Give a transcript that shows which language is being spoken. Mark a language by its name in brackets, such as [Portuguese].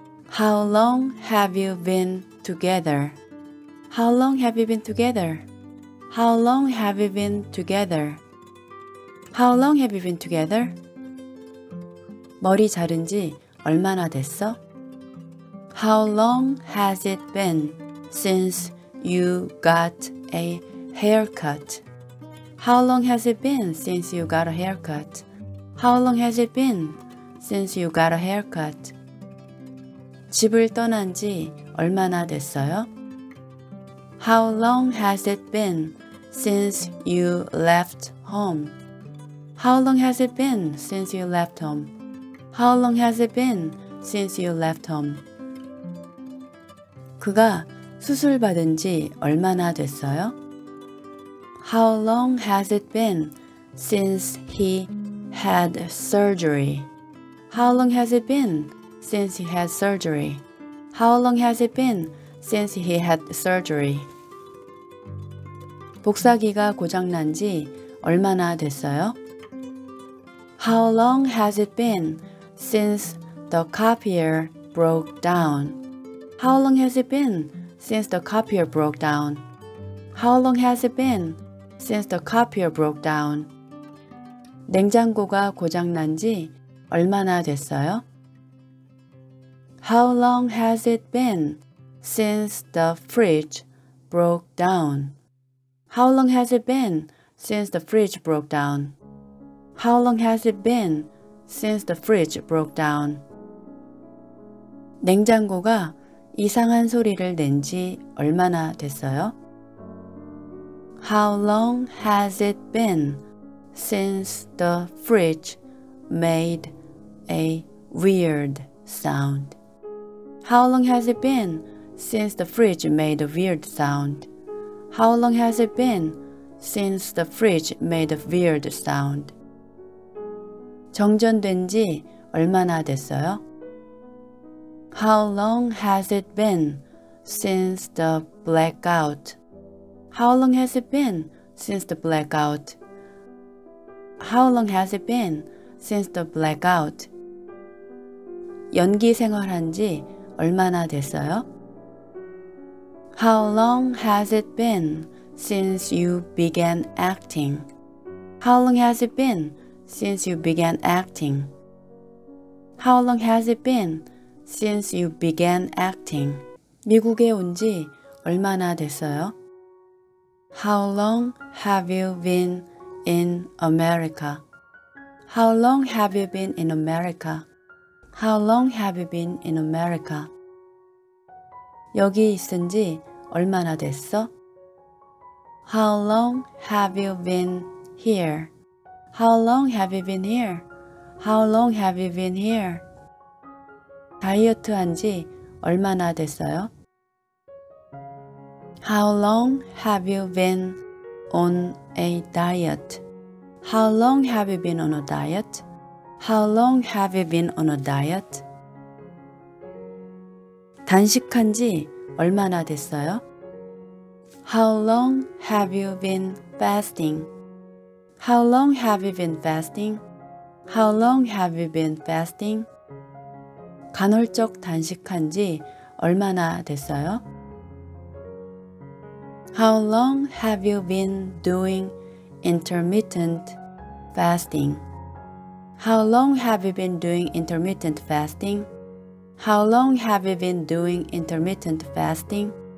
[English] How long have you been together? How long have you been together? How long have you been together? How long have you been together? [Korean] 머리 자른 지 얼마나 됐어? [English] How long has it been since you got a haircut? How long has it been since you got a haircut? How long has it been since you got a haircut? [Korean] 집을 떠난 지 얼마나 됐어요? [English] How long has it been since you left home? How long has it been since you left home? How long has it been since you left home? [Korean] 그가 수술 받은 지 얼마나 됐어요? [English] How long has it been since he had surgery? How long has it been since he had surgery? How long has it been since he had surgery? [Korean] 복사기가 고장 난 지 얼마나 됐어요? [English] How long has it been since the copier broke down? How long has it been since the copier broke down? How long has it been since the copier broke down? [Korean] 냉장고가 고장 난 지 얼마나 됐어요? [English] How long has it been since the fridge broke down? How long has it been since the fridge broke down? How long has it been since the fridge broke down? [Korean] 냉장고가 이상한 소리를 낸 지 얼마나 됐어요? [English] How long has it been since the fridge made a weird sound? How long has it been since the fridge made a weird sound? How long has it been since the fridge made a weird sound? [Korean] 정전된 지 얼마나 됐어요? [English] How long has it been since the blackout? How long has it been since the blackout? How long has it been since the blackout? [Korean] 연기 생활한 지 얼마나 됐어요? [English] How long has it been since you began acting? How long has it been since you began acting? How long has it been since you began acting? [Korean] 미국에 온 지 얼마나 됐어요? [English] How long have you been in America? How long have you been in America? How long have you been in America? [Korean] 여기 있은 지 얼마나 됐어? [English] How long have you been here? How long have you been here? How long have you been here? [Korean] 다이어트 한 지 얼마나 됐어요? [English] How long have you been on a diet? How long have you been on a diet? How long have you been on a diet? [Korean] 단식한 지 얼마나 됐어요? [English] How long have you been fasting? How long have you been fasting? How long have you been fasting? [Korean] 간헐적 단식한 지 얼마나 됐어요? [English] How long have you been doing intermittent fasting? How long have you been doing intermittent fasting? How long have you been doing intermittent fasting?